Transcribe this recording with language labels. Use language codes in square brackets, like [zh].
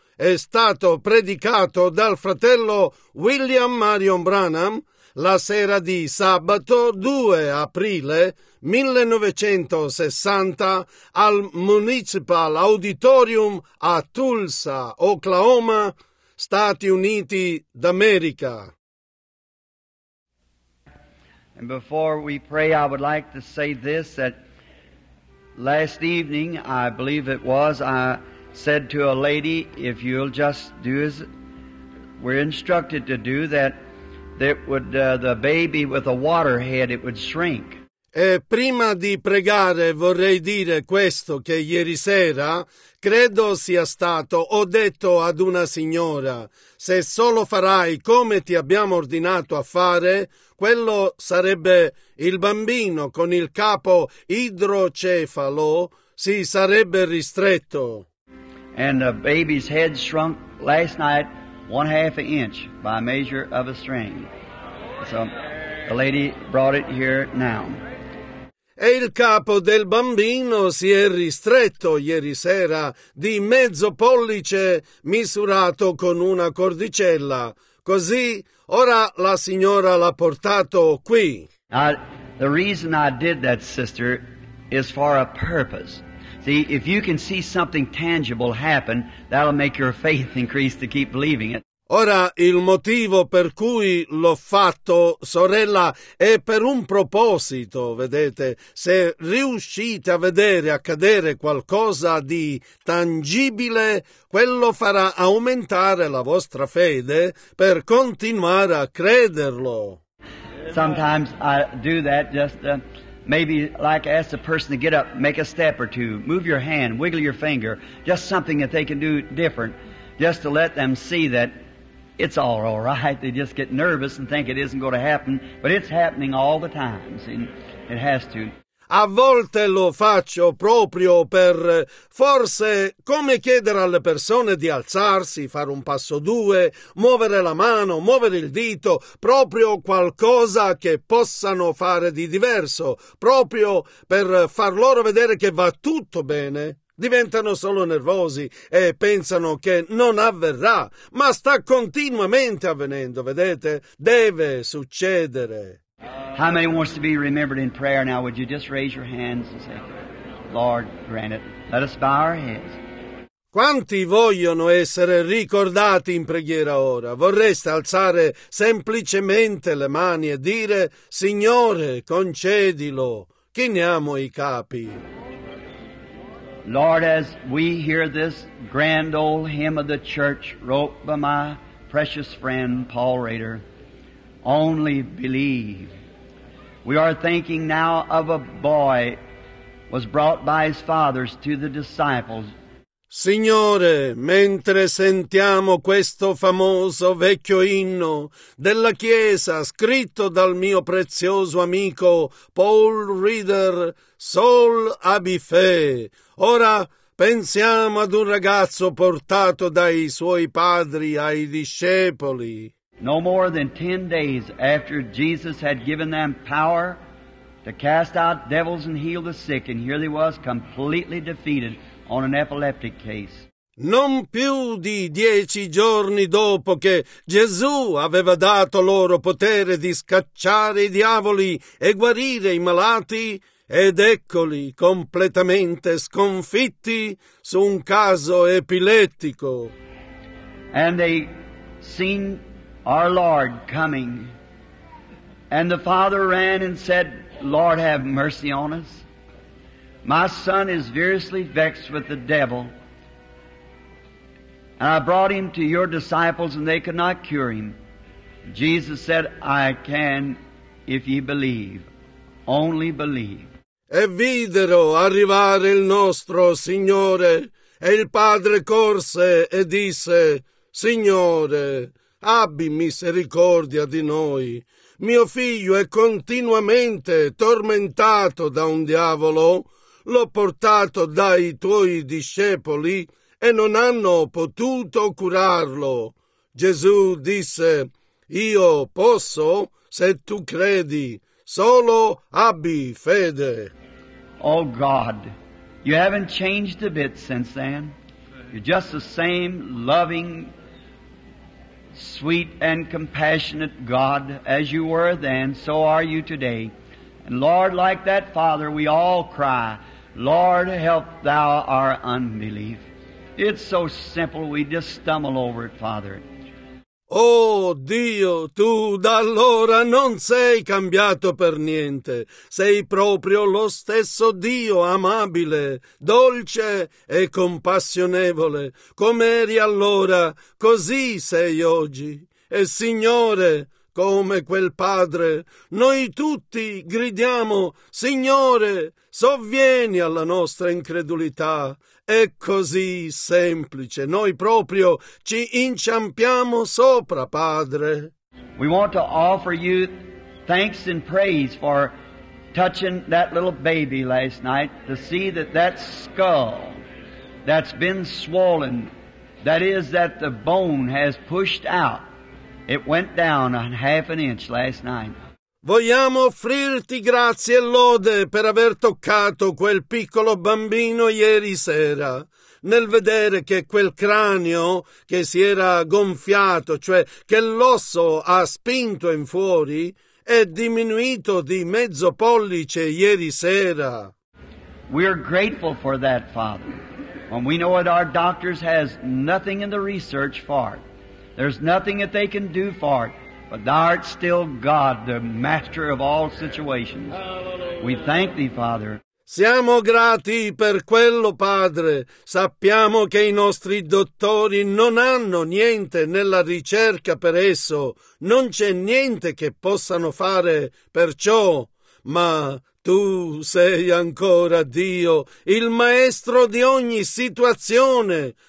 [it] è stato predicato dal fratello William Marion Branham la sera di sabato 2 aprile 1960 al Municipal Auditorium a Tulsa, Oklahoma, Stati Uniti d'America. [en] And before we pray, I would like to say this, that last evening, I believe it was, I said to a lady, if you'll just do as we're instructed to do, the baby with a water head, it would shrink. [it] E prima di pregare vorrei dire questo, che ieri sera credo sia stato, ho detto ad una signora, se solo farai come ti abbiamo ordinato a fare, quello sarebbe il bambino con il capo idrocefalo, si sarebbe ristretto. [en] And the baby's head shrunk last night 1/2 inch by measure of a string. So the lady brought it here now. [it] E il capo del bambino si è ristretto ieri sera di mezzo pollice misurato con una cordicella. Così ora la signora l'ha portato qui. [en] The reason I did that, sister, is for a purpose. See, if you can see something tangible happen, that'll make your faith increase to keep believing it. [it] Ora, il motivo per cui l'ho fatto, sorella, è per un proposito, vedete. Se riuscite a vedere accadere qualcosa di tangibile, quello farà aumentare la vostra fede per continuare a crederlo. [en] Sometimes I do that just... Maybe like ask the person to get up, make a step or two, move your hand, wiggle your finger, just something that they can do different, just to let them see that it's all right. They just get nervous and think it isn't going to happen, but it's happening all the time. See, it has to. [it] A volte lo faccio proprio per, forse, come chiedere alle persone di alzarsi, fare un passo o due, muovere la mano, muovere il dito, proprio qualcosa che possano fare di diverso, proprio per far loro vedere che va tutto bene. Diventano solo nervosi e pensano che non avverrà, ma sta continuamente avvenendo, vedete? Deve succedere. [en] How many wants to be remembered in prayer now? Would you just raise your hands and say, Lord, grant it. Let us bow our heads. [it] Quanti vogliono essere ricordati in preghiera ora? Vorreste alzare semplicemente le mani e dire, Signore, concedilo. Chiniamo i capi. [en] Lord, as we hear this grand old hymn of the church wrote by my precious friend Paul Rader, only believe. We are thinking now of a boy was brought by his fathers to the disciples. [it] Signore, mentre sentiamo questo famoso vecchio inno della Chiesa scritto dal mio prezioso amico Paul Reeder, Sol Abife, ora pensiamo ad un ragazzo portato dai suoi padri ai discepoli. [en] No more than 10 days after Jesus had given them power to cast out devils and heal the sick, and here they was completely defeated on an epileptic case. [it] Non più di 10 giorni dopo che Gesù aveva dato loro potere di scacciare i diavoli e guarire i malati, ed eccoli completamente sconfitti su un caso epilettico. [en] And they seen our Lord coming, and the father ran and said, Lord, have mercy on us. My son is variously vexed with the devil, and I brought him to your disciples, and they could not cure him. Jesus said, I can if ye believe, only believe. [it] E videro arrivare il nostro Signore, e il padre corse e disse, Signore, abbi misericordia di noi. Mio figlio è continuamente tormentato da un diavolo. L'ho portato dai tuoi discepoli e non hanno potuto curarlo. Gesù disse: Io posso se tu credi. Solo abbi fede. [en] Oh God, you haven't changed a bit since then. You're just the same loving, sweet and compassionate God as you were then, so are you today. And Lord, like that Father, we all cry, Lord, help thou our unbelief. It's so simple, we just stumble over it, Father. [it] Oh Dio, tu da allora non sei cambiato per niente. Sei proprio lo stesso Dio amabile, dolce e compassionevole. Come eri allora, così sei oggi. E Signore, come quel padre, noi tutti gridiamo, Signore, sovvieni alla nostra incredulità. È così semplice. Noi proprio ci inciampiamo sopra, Padre. [en] We want to offer you thanks and praise for touching that little baby last night to see that that skull that's been swollen, that is that the bone has pushed out. It went down a half an inch last night. [it] Vogliamo offrirti grazie e lode per aver toccato quel piccolo bambino ieri sera. Nel vedere che quel cranio che si era gonfiato, cioè che l'osso ha spinto in fuori, è diminuito di mezzo pollice ieri sera. [en] We are grateful for that, Father. When we know that our doctors has nothing in the research for it. There's nothing that they can do for it. But thou art still God, the master of all situations. Hallelujah. We thank thee, Father. [it] Siamo grati per quello, Padre. Sappiamo che i nostri dottori non hanno niente nella ricerca per esso. Non c'è niente che possano fare per ciò. Ma tu sei ancora Dio, il maestro di ogni situazione.